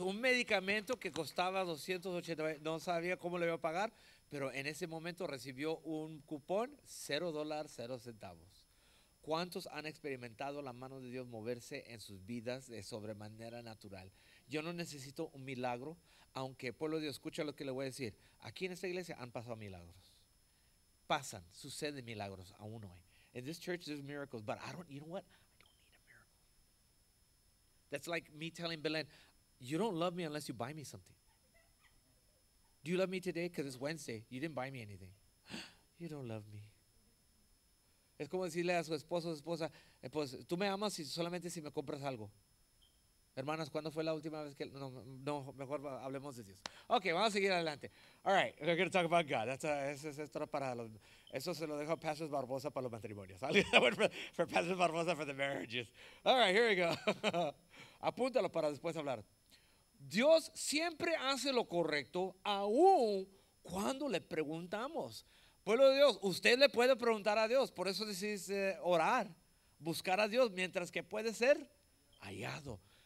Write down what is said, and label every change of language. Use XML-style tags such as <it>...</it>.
<es>Un medicamento que costaba 280, no sabía cómo le iba a pagar, pero en ese momento recibió un cupón, $0.00. ¿Cuántos han experimentado la mano de Dios moverse en sus vidas de sobremanera natural? Yo no necesito un milagro, aunque pueblo de Dios, escucha lo que le voy a decir. Aquí en esta iglesia han pasado milagros. Pasan, suceden milagros aún hoy.</es> <en>In this church there's miracles, but you know what? That's like me telling Belen, you don't love me unless you buy me something. Do you love me today? Because it's Wednesday. You didn't buy me anything. You don't love me.</en> <es>Es como decirle a su esposa, pues, tú me amas solamente si me compras algo. Hermanas, ¿cuándo fue la última vez que? No, mejor hablemos de Dios. Okay, vamos a seguir adelante.</es> <en>All right, we're going to talk about God.</en> <es>Eso se lo dejo a Pastor Barbosa para los matrimonios.</es> <en>I'll leave that one for Pastor Barbosa for the marriages. All right, here we go.</en> <es>Apúntalo para después hablar. Dios siempre hace lo correcto, aún cuando le preguntamos. Pueblo de Dios, usted le puede preguntar a Dios. Por eso decís orar, buscar a Dios mientras que puede ser hallado.</es>